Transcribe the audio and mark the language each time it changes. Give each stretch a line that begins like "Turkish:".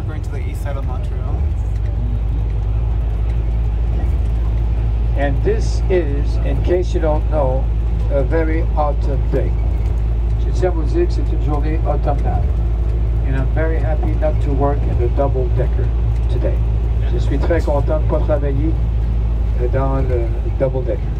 English: We're going to the east side of Montreal. And this is, in case you don't know, a very autumn day.
French: Je tiens à vous dire que c'est une journée autumnale.
English: And I'm very happy not to work in a double-decker today.
French: Je suis très content de ne pas travailler dans le double-decker.